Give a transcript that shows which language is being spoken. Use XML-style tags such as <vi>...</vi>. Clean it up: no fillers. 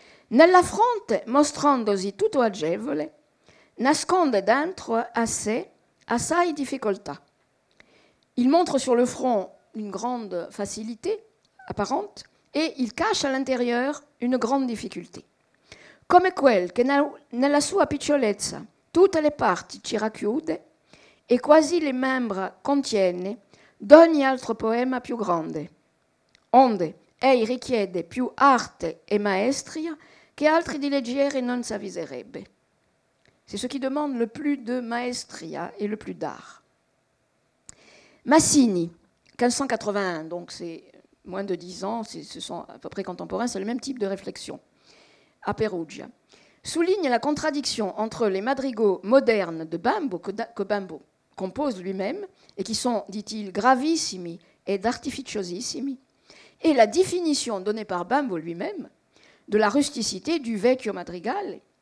<it>Nella fronte, mostrandosi tutto agevole, nasconde dentro a sé assai difficoltà.</it> <fr>Il montre sur le front une grande facilité apparente et il cache à l'intérieur une grande difficulté.</fr> <it>Come quel che nella sua picciolezza tutte le parti ci racchiude e quasi le membra contiene d'ogni altro poema più grande, onde ei richiede più arte e maestria che altri di leggere non s'avviserebbe.</it> <fr>C'est ce qui demande le plus de maestria et le plus d'art. Massini, 1581, donc c'est moins de 10 ans, ce sont à peu près contemporains, c'est le même type de réflexion, à Perugia, souligne la contradiction entre les madrigaux modernes de Bembo, que Bembo compose lui-même, et qui sont, dit-il, gravissimi et artificiosissimi, et la définition donnée par Bembo lui-même de la rusticité du</fr> <it>vecchio madrigale.</it>